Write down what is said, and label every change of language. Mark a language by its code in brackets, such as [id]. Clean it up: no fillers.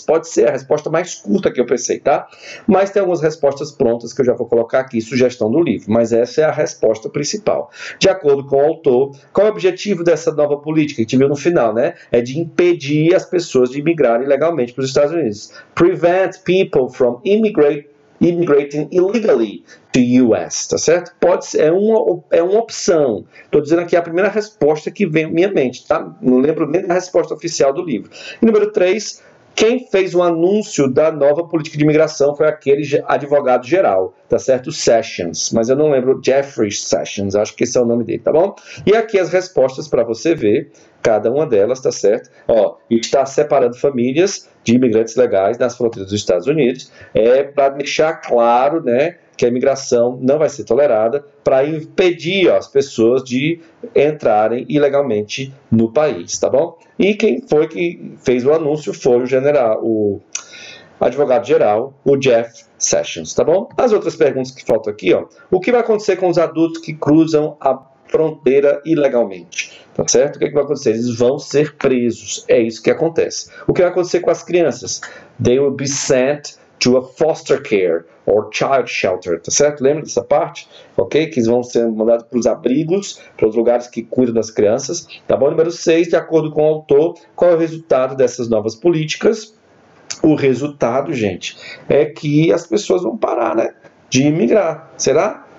[pt] Pode ser a resposta mais curta que eu pensei, tá? Mas tem algumas respostas prontas que eu já vou colocar aqui, sugestão do livro. Mas essa é a resposta principal. De acordo com o autor, qual é o objetivo dessa nova política? A gente viu no final, né? É de impedir as pessoas de imigrarem ilegalmente para os Estados Unidos. [en] Prevent people from immigrating illegally to US, [pt] tá certo? Pode ser, é uma opção. Estou dizendo aqui a primeira resposta que vem à minha mente, tá? Não lembro nem da resposta oficial do livro. E número 3, quem fez o um anúncio da nova política de imigração foi aquele advogado geral, tá certo? Sessions, mas eu não lembro, Jeffrey Sessions, acho que esse é o nome dele, tá bom? E aqui as respostas para você ver, cada uma delas, tá certo? Ó, está separando famílias de imigrantes legais nas fronteiras dos Estados Unidos, é para deixar claro, né, que a imigração não vai ser tolerada para impedir, ó, as pessoas de entrarem ilegalmente no país, tá bom? E quem foi que fez o anúncio foi o general, o advogado-geral, o Jeff Sessions, tá bom? As outras perguntas que faltam aqui, ó, o que vai acontecer com os adultos que cruzam a fronteira ilegalmente? Tá certo? O que é que vai acontecer? Eles vão ser presos. É isso que acontece. O que vai acontecer com as crianças? [en] They will be sent to a foster care or child shelter. [pt] Tá certo? Lembra dessa parte? Ok? Que eles vão ser mandados para os abrigos, para os lugares que cuidam das crianças. Tá bom? Número 6, de acordo com o autor, qual é o resultado dessas novas políticas? O resultado, gente, é que as pessoas vão parar, né, de imigrar. Será?